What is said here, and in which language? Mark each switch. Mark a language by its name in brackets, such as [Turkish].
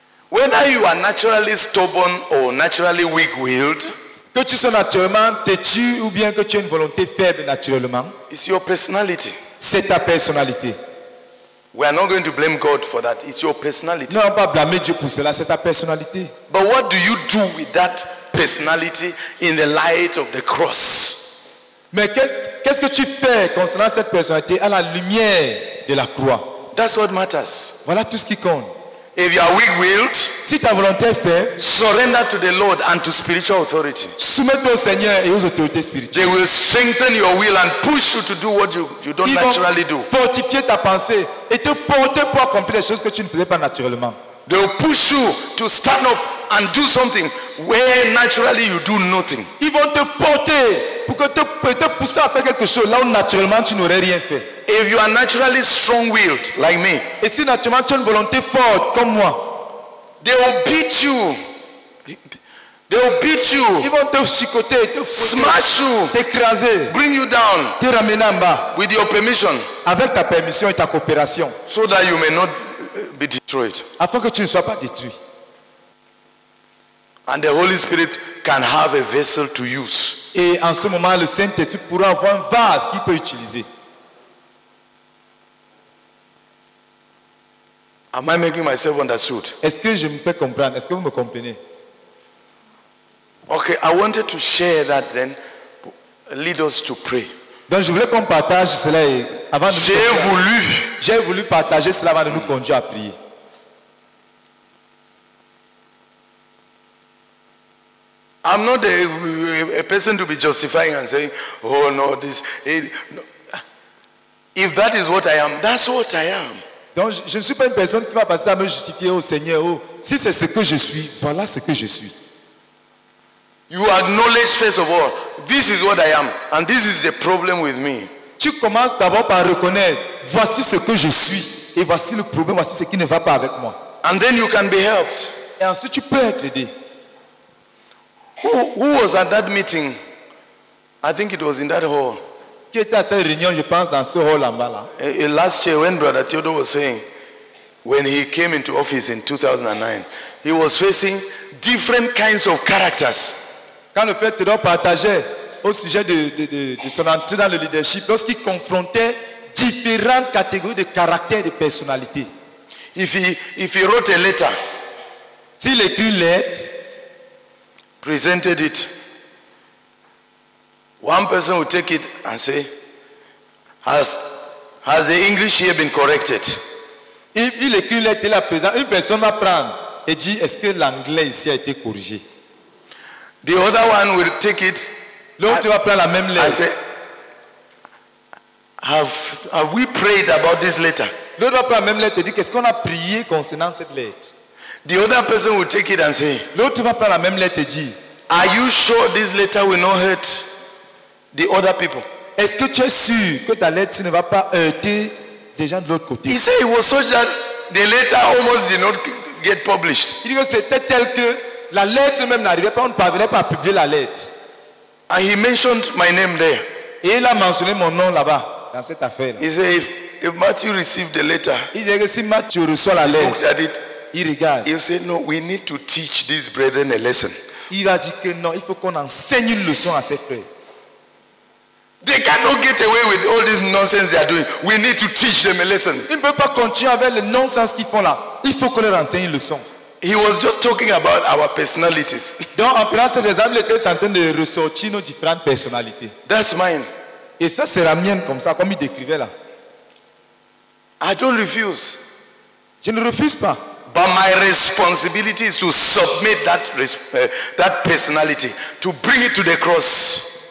[English] Whether you are naturally stubborn or naturally weak-willed, [French] que tu sois naturellement têtu ou bien que tu aies une volonté faible naturellement, [English] it's your personality. [French] C'est ta personnalité. [English] We are not going to blame God for that. It's your personality. [French] Non, on va pas blâmer Dieu pour cela, c'est ta personnalité. [English] But what do you do with that personality in the light of the cross? [French] Mais qu'est-ce que tu fais concernant cette personnalité à la lumière de la croix? [English] That's what matters. [French] Voilà tout ce qui compte. [English] If you are weak-willed, [French] si ta volonté est faible, [English] surrender to the Lord and to spiritual authority. [French] Soumets-toi au Seigneur et aux autorités spirituelles. [English] They will strengthen your will and push you to do what you don't [French] ils [English] naturally do. [French] Fortifier ta pensée et te porter pour accomplir les choses que tu ne faisais pas naturellement. [English] They will push you to stand up and do something where naturally you do nothing. [French] Ils vont te porter pour que te pousser à faire quelque chose là où naturellement tu n'aurais rien fait. [English] If you are naturally strong-willed like me, [French] et si naturellement tu as une volonté forte comme moi, [English] they will beat you. They will beat you. [French] Ils vont te chicoter, te [English] smash you, [French] t'écraser, [English] bring you down, [French] te ramener en bas, [English] with your permission, [French] avec ta permission et ta coopération, [English] so that you may not be destroyed. [French] Afin que tu ne sois pas détruit. [English] And the Holy Spirit can have a vessel to use. [French] Et en ce moment, le Saint-Esprit pourra avoir un vase qu'il peut utiliser. [English] Am I making myself understood? [French] Est-ce que je me fais comprendre? Est-ce que vous me comprenez? [English] Okay, I wanted to share that then. Lead us to pray. [French] Donc je voulais qu'on partage cela avant de nous conduire. J'ai voulu partager cela avant de nous conduire à prier. [English] I'm not a person to be justifying and saying, oh no, this. No. If that is what I am, that's what I am. [French] Donc, je ne suis pas une personne qui va passer à me justifier au Seigneur. Oh, si c'est ce que je suis, voilà ce que je suis. [English] You acknowledge first of all, this is what I am, and this is the problem with me. [French] Tu commences d'abord par reconnaître, voici ce que je suis, et voici le problème, voici ce qui ne va pas avec moi. [English] And then you can be helped. [French] Et ensuite, tu peux être aidé. [English] Who was at that meeting? I think it was in that hall. [French] Qui était à cette réunion, je pense, dans ce hall en bas là. [English] Last year, when Brother Theodore was saying, when he came into office in 2009, he was facing different kinds of characters. [French] Quand le frère Theodore partageait au sujet de son entrée dans le leadership, lorsqu'il confrontait différentes catégories de caractères, de personnalités. [English] If he wrote a letter, [French] s'il écrit une lettre, [English] presented it, one person will take it and say, has the English here been corrected? [French] Il écrit une lettre, il la présente. Une personne va prendre et dit, est-ce que l'anglais ici a été corrigé? [English] The other one will take it. [French] L'autre va prendre la même lettre. [English] And say, have we prayed about this letter? [French] L'autre va prendre la même lettre et dit, qu'est-ce qu'on a prié concernant cette lettre? [English] The other person will take it and say, [French] l'autre va prendre la même lettre et dit, [English] Are you sure this letter will not hurt the other people? [French] Est-ce que tu es sûr que ta lettre ne va pas heurter des gens de l'autre côté? [English] He said it was such that the letter almost did not get published. [French] Il dit que c'était tel que la lettre même n'arrivait pas, on ne parvenait pas à publier la lettre. [English] And he mentioned my name there. [French] Et il a mentionné mon nom là-bas dans cette affaire. [English] He said if Mathew received the letter. [French] Il dit que si Mathew reçoit la lettre, [English] looked at it, [French] il regarde. [English] He said no, we need to teach these brethren a lesson. [French] Il a dit que non, il faut qu'on enseigne une leçon à ses frères. [English] They cannot get away with all this nonsense they are doing. We need to teach them a lesson. [French] Ils ne peuvent pas continuer avec le nonsense qu'ils font là. Il faut qu'on leur enseigne une leçon. [English] He was just talking about our personalities. [French] Donc en prenant cet exemple, il était en train de ressortir nos différentes personnalités. [English] That's mine. [French] Et ça sera mienne comme ça, comme il décrivait là. [English] I don't refuse. [French] Je ne refuse pas. [English] But my responsibility is to submit that personality, to bring it to the cross.